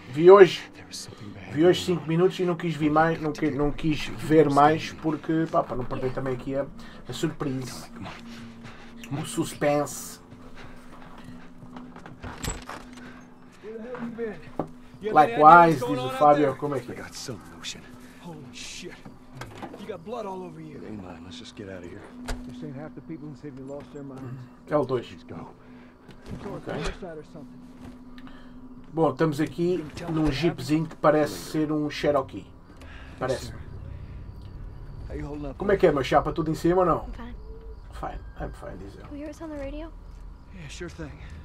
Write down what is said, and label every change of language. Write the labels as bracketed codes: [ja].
[pt] Vi hoje 5 minutos e não quis vir mais, não quis ver mais porque. Pá, para não perder também aqui a surpresa. O suspense. [en] Likewise, [pt] diz o Fábio, como é que é? [en] Holy shit! You got blood all over you. Ain't mine. Let's just get out of here. You're saying half the people in Sydney lost their minds. Tell Deutsch, he's gone. Okay. [pt] Bom, estamos aqui num jeepzinho que parece ser um Cherokee. Parece. Como é que é, meu chapa? Tudo em cima ou não? [en] I'm fine, [pt] diz ele. [en] Can you hear us on the radio? Yeah, sure thing.